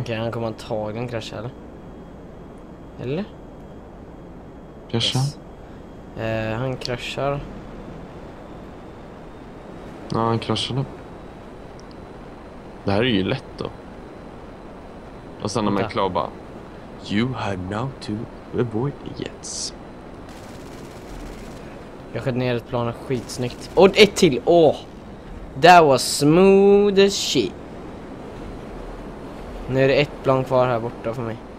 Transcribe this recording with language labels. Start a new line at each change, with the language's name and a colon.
Swedish: Okej, han kommer antagligen krascha eller? Eller? Krascha? Yes. Han kraschar. Ja, han kraschade. Det här är ju lätt då. Och sen när man klar bara...
English: You have now to avoid the jets.
Swedish: Jag sköt ner ett plan skitsnyggt. Och ett till! Åh!
English: That was smooth as shit.
Swedish: Nu är det ett plan kvar här borta för mig.